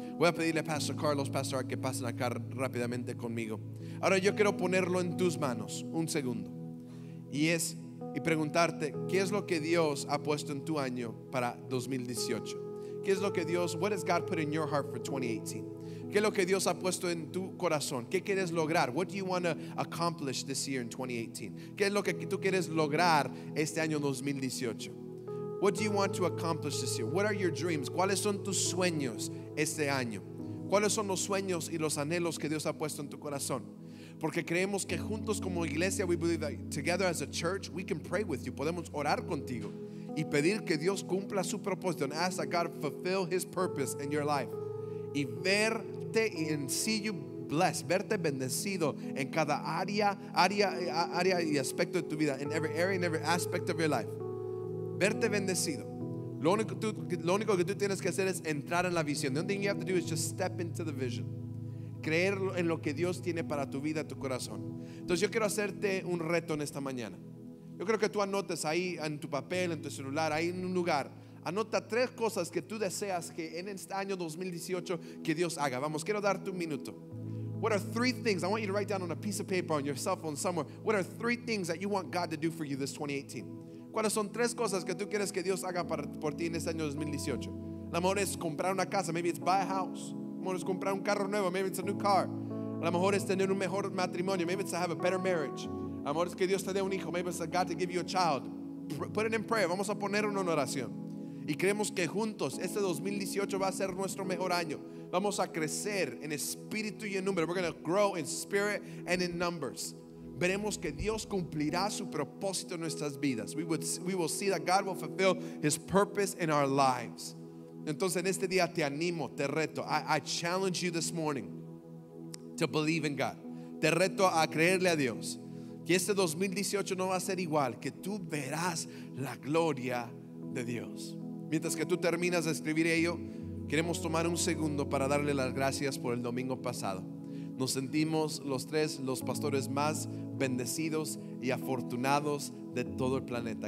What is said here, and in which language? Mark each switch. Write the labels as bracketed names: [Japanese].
[Spanish] Voy a pedirle a Pastor Carlos, Pastor Art, que pasen acá rápidamente conmigo. Ahora yo quiero ponerlo en tus manos un segundo y preguntarte: ¿qué es lo que Dios ha puesto en tu año para 2018? ¿Qué es lo que Dios, [English] what has God put in your heart for 2018? [Spanish] ¿Qué es lo que Dios ha puesto en tu corazón? ¿Qué quieres lograr? [English] What do you want to accomplish this year in 2018? [Spanish] ¿Qué es lo que tú quieres lograr este año 2018? [English] What do you want to accomplish this year? What are your dreams? [Spanish] ¿Cuáles son tus sueños este año? ¿Cuáles son los sueños y los anhelos que Dios ha puesto en tu corazón? Porque creemos que juntos como iglesia, [English] we believe that together as a church, we can pray with you. [Spanish] Podemos orar contigo y pedir que Dios cumpla su propósito, [English] and ask that God fulfill his purpose in your life, [Spanish] y verte [English] and see you blessed, [Spanish] verte bendecido en cada área y aspecto de tu vida, [English] in every area and every aspect of your life, [Spanish] verte bendecido. Lo único que tú tienes que hacer es entrar en la visión. [English] The only thing you have to do is just step into the vision, [Spanish] creer en lo que Dios tiene para tu vida, tu corazón. Entonces yo quiero hacerte un reto en esta mañana. Yo creo que tú anotes ahí en tu papel, en tu celular, ahí en un lugar. Anota tres cosas que tú deseas que en este año 2018 que Dios haga. Vamos, quiero darte un minuto. [English] What are three things? I want you to write down on a piece of paper, on your cell phone, somewhere. What are three things that you want God to do for you this 2018? [Spanish] ¿Cuáles son tres cosas que tú quieres que Dios haga por ti en este año 2018? A lo mejor es comprar una casa, [English] maybe it's buy a house. [Spanish] A lo mejor es comprar un carro nuevo, [English] maybe it's a new car. [Spanish] A lo mejor es tener un mejor matrimonio, [English] maybe it's to have a better marriage. [Spanish] Amor, es que Dios te dé un hijo. [English] Maybe it's God to give you a child. Put it in prayer. [Spanish] Vamos a poner una oración. Y creemos que juntos este 2018 va a ser nuestro mejor año. Vamos a crecer en espíritu y en número. [English] We're going to grow in spirit and in numbers. [Spanish] Veremos que Dios cumplirá su propósito en nuestras vidas. [English] We will see that God will fulfill his purpose in our lives. [Spanish] Entonces en este día te animo, te reto. [English] I challenge you this morning to believe in God. [Spanish] Te reto a creerle a Dios. Y este 2018 no va a ser igual, que tú verás la gloria de Dios. Mientras que tú terminas de escribir ello, queremos tomar un segundo para darle las gracias por el domingo pasado. Nos sentimos los tres los pastores más bendecidos y afortunados de todo el planeta.